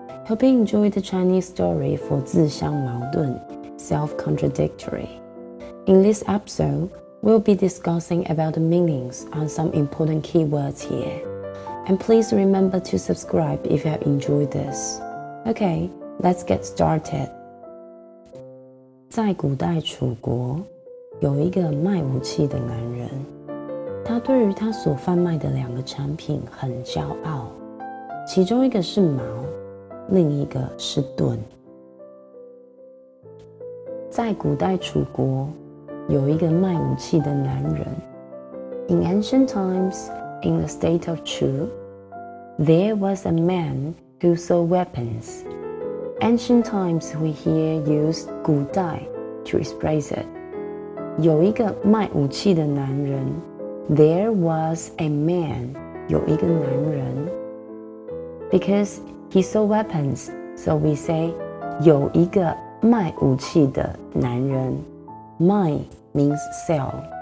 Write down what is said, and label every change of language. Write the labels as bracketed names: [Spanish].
[English] Hope you enjoy the Chinese story for 自相矛盾, self-contradictory. In this episode, we'll be discussing about the meanings and some important keywords here. And please remember to subscribe if you have enjoyed this. Okay, let's get started. [Chinese] 在古代楚国,有一个卖武器的男人。他对于他所贩卖的两个产品很骄傲，其中一个是矛，另一个是盾。在古代楚国，有一个卖武器的男人。 [English] In ancient times, in the state of Chu, there was a man who sold weapons. Ancient times we hear use 古代 to express it. [Chinese] 有一个卖武器的男人。 [English] There was a man, [Chinese] 有一个男人 [English] Because he sold weapons, so we say [Chinese] 有一个卖武器的男人 [English] Mai means sell,